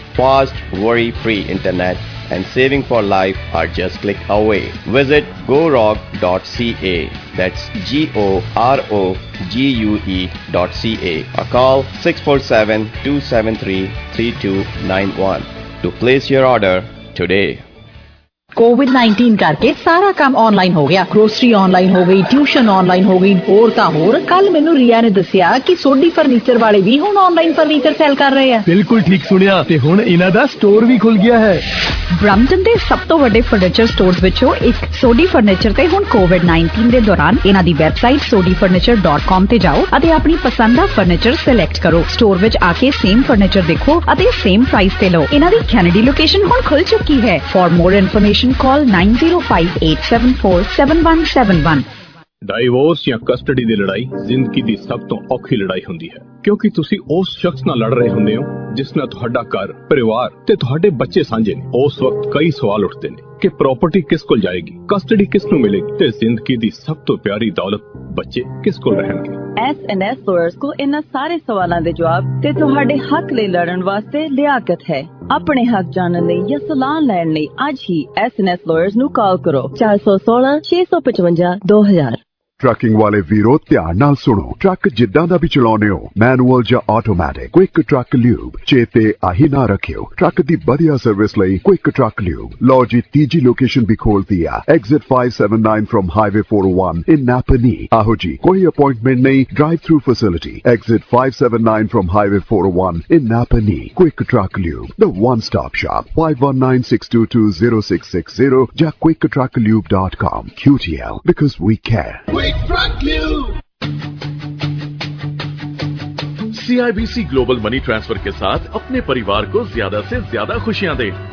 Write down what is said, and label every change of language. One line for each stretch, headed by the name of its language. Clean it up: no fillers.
English: Fast, worry-free internet and saving for life are just click away. Visit gorog.ca. That's gorogue.ca or call 647-273-3291 to place your order today.
Punjabi: Covid 19 کر کے سارا کام on line ہو گیا. Grocery on line ہو گئی, tuition on line ہو گئی, اور تا ہور کل مینو ریا نے دسیا کہ سوڈی فرنیچر والے بھی ہن آن لائن فرنیچر سیل کر رہے ہیں. بالکل ٹھیک سنیا, تے ہن انہاں دا سٹور بھی کھل گیا ہے. برمٹن دے سب تو وڈے فرنیچر سٹورز وچوں ایک سوڈی فرنیچر تے ہن کووڈ 19 دے دوران انہاں دی ویب سائٹ sodifurniture.com تے جاؤ اتے اپنی پسند دا فرنیچر سلیکٹ کرو. سٹور وچ آ کے سیم فرنیچر دیکھو اتے سیم پرائس تے لو. انہاں دی کینیڈی لوکیشن ہن کھل چکی ہے.
English: for more information call
Punjabi: 9058747171. ڈائیوس یا کسٹڈی دی لڑائی زندگی دی سب تو اوکھی لڑائی ہوندی ہے, کیونکہ تسی اس شخص نال لڑ رہے ہوندے ہو جس نے تہاڈا گھر, پریوار تے تہاڈے بچے سانجے نے. اس وقت کئی سوال اٹھتے نے کہ پراپرٹی کس کول جائے گی, کسٹڈی کس نوں ملے گی, تے زندگی دی سب تو پیاری دولت بچے کس کول رہن گے. ایس این ایس لوئرز کو انہاں سارے سوالاں دے جواب تے تہاڈے حق لئی لڑن واسطے لیاقت ہے. اپنے حق جانن لئی یا سلاح لین لئی اج ہی ایس این ایس لوئرز نوں کال کرو 416-655-2000. ٹرکنگ والے ویرو دھیان نال سنو, ٹرک جدہ دا بھی چلاونے ہو, مینوئل جا آٹومیٹک, کوئک ٹرک لیوب چیتے آہی نہ رکھیو. ٹرک دی بڑھیا سروس لئی کوئک ٹرک لیوب لو جی تیجی لوکیشن بھی کھول دیا,
English: Exit 579 from high way 401 in ناپنی.
Punjabi: آہو جی کوئی اپوائنٹمنٹ نہیں, drive through facility,
English: Exit 579 from high way 401 in ناپنی.
Punjabi: Quick truck lube the one stop shop 519-622-0660 جا quickcucklube.com.
English: QTL, because we care.
Urdu: C I B C global money transfer کے ساتھ اپنے پریوار کو زیادہ سے زیادہ خوشیاں دیں.